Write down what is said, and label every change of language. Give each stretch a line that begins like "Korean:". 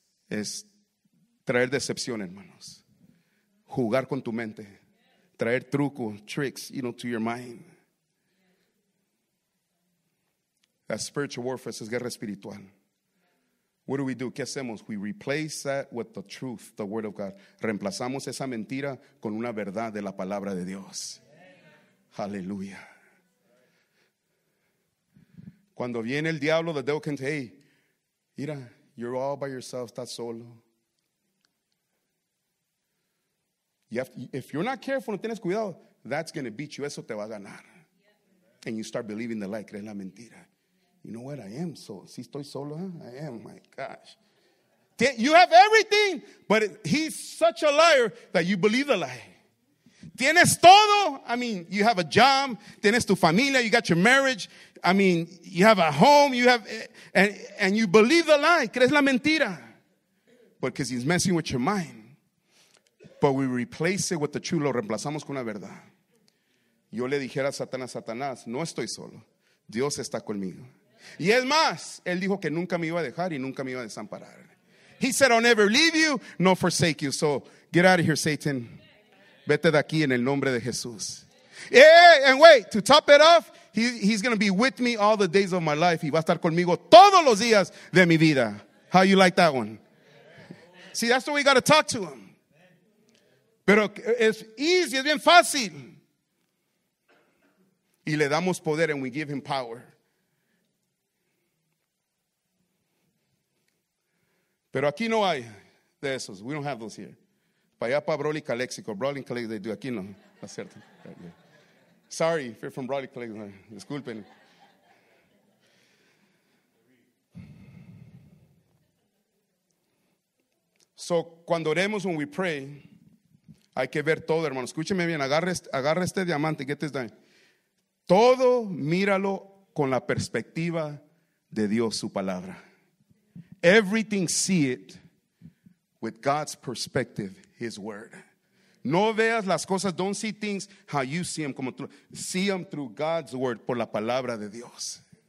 Spanish: Es traer decepción, hermanos. Jugar con tu mente. Traer truco,
English: tricks, you know, to your mind. That's spiritual warfare,
Spanish: es guerra espiritual.
English: What do?
Spanish: ¿Qué hacemos?
English: We replace that with the truth, the word of God.
Spanish: Reemplazamos esa mentira con una verdad de la palabra de Dios.
English: Hallelujah.
Spanish: Cuando viene el diablo,
English: the devil can say, hey,
Spanish: mira,
English: you're all by yourself,
Spanish: estás solo.
English: If you're not careful,
Spanish: no tienes cuidado,
English: that's going to beat you,
Spanish: eso te va a ganar.
English: And you start believing the lie,
Spanish: crees la mentira.
English: You know what? I am so.
Spanish: Si estoy solo,
English: huh? I am. My gosh. You have everything, but he's such a liar that you believe the lie.
Spanish: Tienes todo.
English: I mean, you have a job.
Spanish: Tienes tu familia.
English: You got your marriage. I mean, you have a home. You have, and you believe the lie.
Spanish: Crees la mentira.
English: Because he's messing with your mind. But we replace it with the truth.
Spanish: Lo reemplazamos con la verdad. Yo le dijera a Satanás, Satanás, no estoy solo. Dios está conmigo. Y es más, él dijo que nunca me iba a dejar y nunca me iba a desamparar.
English: He said, I'll never leave you, nor forsake you. So, get out of here, Satan.
Spanish: Vete de aquí en el nombre de Jesús.
English: Yeah, and wait, to top it off, he's going to be with me all the days of my life.
Spanish: Y va a estar conmigo todos los días de mi vida.
English: How you like that one? See, that's the way we got to talk to him.
Spanish: Pero es easy, es bien fácil. Y le damos poder
English: and we give him power.
Spanish: Pero aquí no hay de esos.
English: We don't have those here.
Spanish: Para allá para Broly Calexico. Broly Calexico,
English: they do.
Spanish: Aquí no. Acierto.
English: Sorry, if you're from Broly Calexico.
Spanish: Disculpen. So, cuando oremos,
English: when we pray,
Spanish: hay que ver todo, hermano. Escúcheme bien. Agarre este diamante.
English: Get this diamond.
Spanish: Todo, míralo con la perspectiva de Dios, su palabra.
English: Everything, see it with God's perspective, his word.
Spanish: No veas las cosas,
English: don't see things how you see them.
Spanish: Como tú,
English: see them through God's word,
Spanish: por la palabra de Dios.